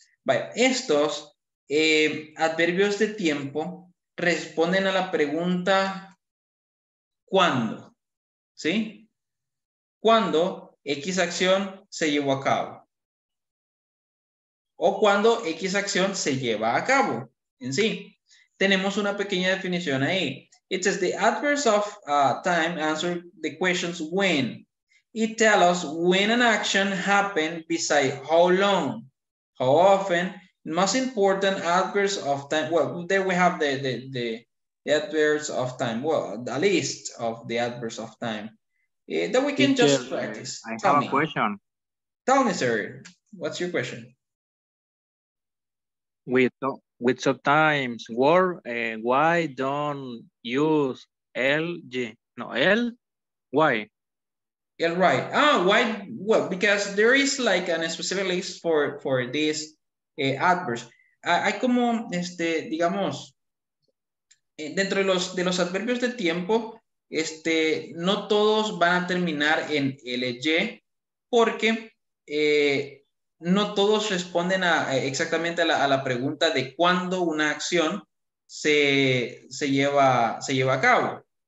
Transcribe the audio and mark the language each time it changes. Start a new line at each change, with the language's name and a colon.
Spanish: Vale, estos adverbios de tiempo responden a la pregunta ¿cuándo? ¿Sí? ¿Cuándo X acción se llevó a cabo? O cuando X acción se lleva a cabo. En sí, tenemos una pequeña definición ahí.
English: It says the adverbs of time answer the questions when. It tells us when an action happened beside how long, how often. Most important adverbs of time. Well, there we have the adverbs of time. Well, the list of the adverbs of time. That we can just practice. I have a question. Tell me, sir. What's your question? With sometimes word, why don't use ly? No, l? Why? L, right. Why? Well, because there is like a specific list for this adverbs.
Spanish: Hay como, digamos, dentro de los adverbios de tiempo, no todos van a terminar en ly porque no todos responden exactamente a la pregunta de cuándo una acción se lleva a cabo.